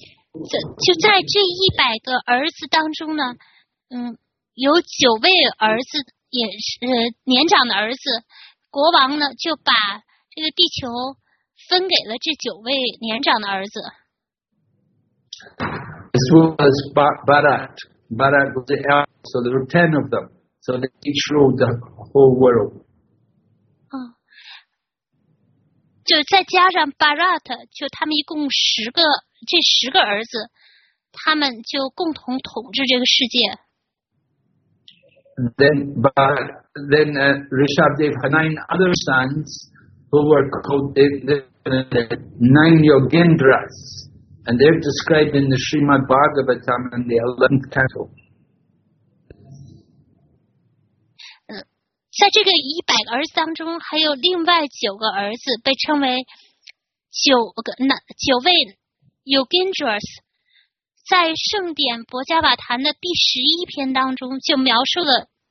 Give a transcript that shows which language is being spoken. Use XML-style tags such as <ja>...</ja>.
<zh>就在这一百个儿子当中呢，有九位儿子也是年长的儿子，国王呢就把这个地球分给了这九位年长的儿子。</zh> <en>As well as Bharat, Bharat was the elder, so there were 10 of them. So they each ruled the whole world.</en> <zh>就再加上 Bharat， 就他们一共十个，这十个儿子，他们就共同统治这个世界。</zh> <en>Then Rishabdev had nine other sons who were called the nine Yogendras, and they're described in the Srimad Bhagavatam in the 11th canto.</en> <zh>在这个一百个儿子当中，还有另外九个儿子被称为九位 Yogendras， 在圣典博伽瓦坛的第十一篇当中就描述了。</zh>